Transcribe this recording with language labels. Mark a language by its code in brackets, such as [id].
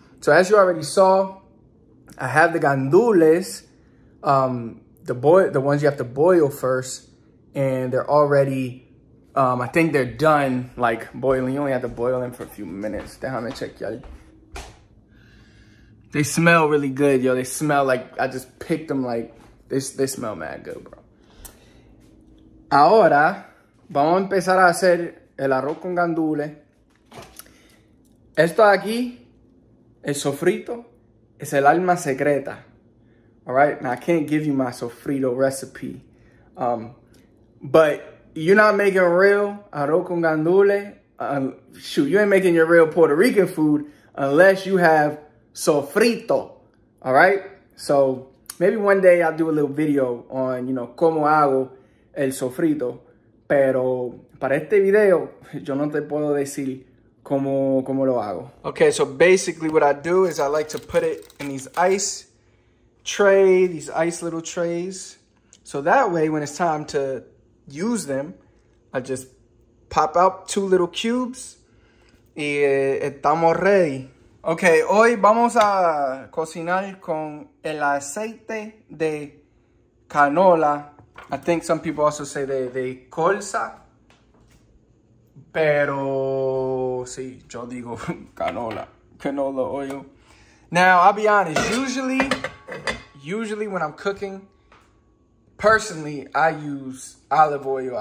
[en] So as you already saw, I have the gandules, the ones you have to boil first, and they're already, I think they're done, like boiling. You only have to boil them for a few minutes. [es] Déjame [en] check, y'all. They smell really good, yo. They smell like I just picked them, like. They smell mad good, bro. [es] Ahora, vamos a empezar a hacer el arroz con gandules. Esto de aquí, el sofrito, es el alma secreta. [en] All right? Now, I can't give you my sofrito recipe. But you're not making real arroz con gandules. Shoot, you ain't making your real Puerto Rican food unless you have sofrito. All right? So, maybe one day I'll do a little video on, you know, [es] cómo hago el sofrito. Pero para este video, yo no te puedo decir cómo lo hago. [en] Okay, so basically what I do is I like to put it in these ice tray, these ice little trays. So that way, when it's time to use them, I just pop out two little cubes [es] y estamos [en] ready. [es] Okay, hoy vamos a cocinar con el aceite de canola. [en] I think some people also say [es] de colza. Pero, sí, yo digo canola, [en] canola oil. Now, I'll be honest, usually when I'm cooking, personally, I use olive oil.